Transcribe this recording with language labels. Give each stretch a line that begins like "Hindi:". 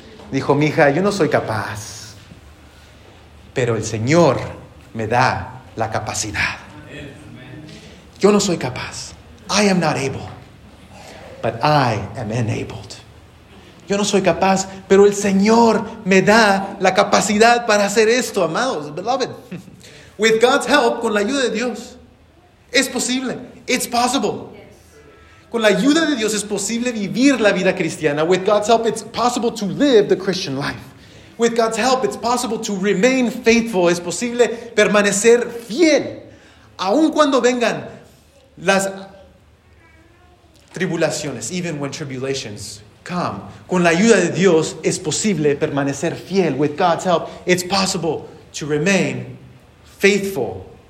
Spanish: Dijo, mija, yo no soy capaz, pero el Señor me da la capacidad. Yo no soy capaz.
English: I am not able, but I am enabled.
Spanish: Yo no soy capaz, pero el Señor me da la capacidad para hacer esto, amados, beloved.
English: With God's help,
Spanish: con la ayuda de Dios, es posible.
English: It's possible.
Spanish: Con la ayuda de Dios es posible vivir la vida cristiana.
English: With God's help, it's possible to live the Christian life. With God's help, it's possible to remain faithful.
Spanish: Es posible permanecer fiel. Aun cuando vengan las tribulaciones,
English: even when tribulations come.
Spanish: Con la ayuda de Dios es posible permanecer fiel.
English: With God's help, it's possible to remain faithful.